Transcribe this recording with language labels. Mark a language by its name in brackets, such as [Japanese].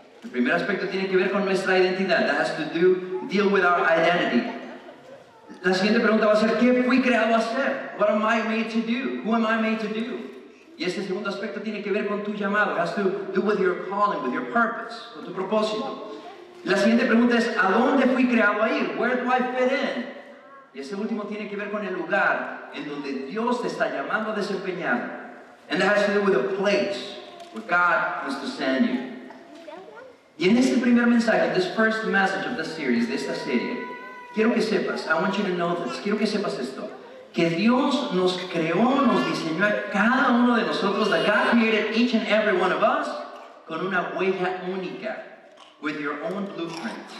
[Spanish] El primer aspecto tiene que ver con nuestra identidad. [English] That has to deal with our identity. [Spanish] La siguiente pregunta va a ser, ¿qué fui creado a hacer? [English] What am I made to do? Who am I made to do? [Spanish] Y este segundo aspecto tiene que ver con tu llamado. [English] It has to do with your calling, with your purpose, [Spanish] con tu propósito. La siguiente pregunta es, ¿a dónde fui creado a ir? [English] Where do I fit in? [Spanish] Y este último tiene que ver con el lugar en donde Dios te está llamando a desempeñar. [English] And that has to do with a place where God wants to send you. [Spanish] Y en este primer mensaje, [English] this first message of the series, [Spanish] de esta serie, quiero que sepas, [English] I want you to know this, [Spanish] quiero que sepas esto, que Dios nos creó, nos diseñó a cada uno de nosotros, [English] that God created each and every one of us, [Spanish] con una huella única, [English] with your own blueprint.